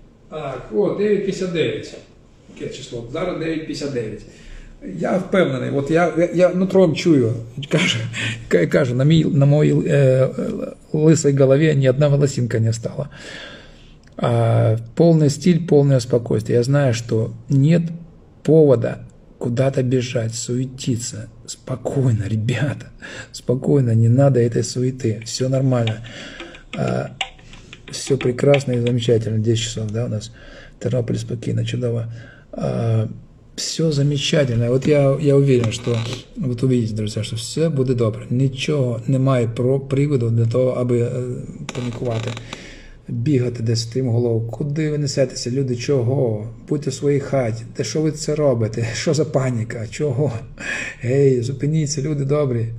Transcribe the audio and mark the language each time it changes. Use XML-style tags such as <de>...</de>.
<uk>Так, о, 9.59, яке число, зараз 9.59, я впевнений, от я нутром чую, каже, на моїй лисій голові ні одна волосинка не встала, повний стиль, повне спокійствие, я знаю, що</uk> <ru>нет повода куда-то</ru> <uk>біжати, суетиться, спокійно, ребята, спокійно,</uk> <ru>не надо этой суети,</ru> <uk>все нормально.</uk> <ru>Все прекрасно и замечательно. 10 часов, да, у нас в Тернополе спокойно, чудово. Все замечательно. Вот я уверен, что вот увидите, друзья, что все будет добро. Ничего</ru> <uk>немає про приводу для того, аби панікувати, бігати десь втрим голову. Куди ви несетеся, люди, чого? Будьте в своїй хаті. Та що ви це робите? Що за паніка? Чого? Гей, зупиніться, люди добрі.</uk>